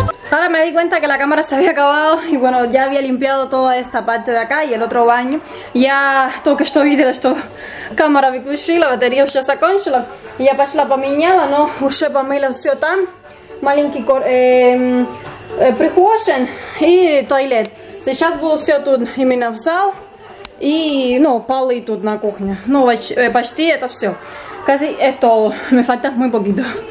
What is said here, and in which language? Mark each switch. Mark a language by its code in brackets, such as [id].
[es] Ahora me di cuenta que la cámara se había acabado y bueno, ya había limpiado toda esta parte de acá y el otro baño. Ya todo que estoy viendo esto. [ru] Cámara выключила, батарея уже закончила. Я пошла поменяла, но уже помыла все там. Маленький прихожен и туалет. Сейчас буду все тут именно в зал. И, ну, полы тут на кухне. Ну, почти это все. [es] Casi esto, me falta muy poquito.